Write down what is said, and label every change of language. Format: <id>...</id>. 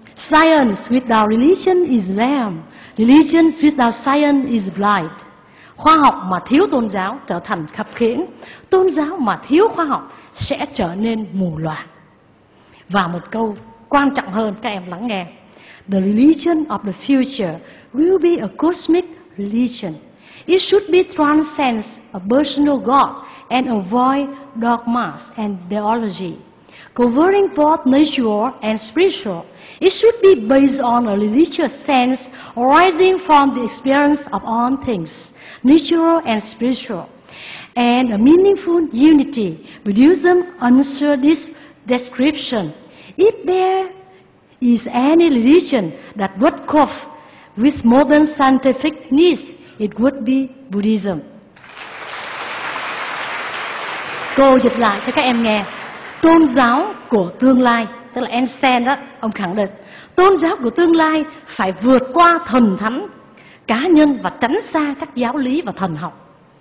<en>Science without religion is lame. Religion without science is blind.</en> <vi>Khoa học mà thiếu tôn giáo trở thành khập khiễng. Tôn giáo mà thiếu khoa học sẽ trở nên mù lòa. Và một câu quan trọng hơn, các em lắng nghe.</vi> <en>The religion of the future will be a cosmic religion. It should be transcends a personal God and avoid dogmas and theology. Covering both nature and spiritual, it should be based on a religious sense arising from the experience of all things, natural and spiritual, and a meaningful unity. Buddhism answers this description. If there is any religion that would cope with modern scientific needs, it would be Buddhism.</en> <vi>Cô dịch lại cho các em nghe. Tôn giáo của tương lai, tức là Einstein đó, ông khẳng định tôn giáo của tương lai phải vượt qua thần thánh cá nhân và tránh xa các giáo lý và thần học.</vi>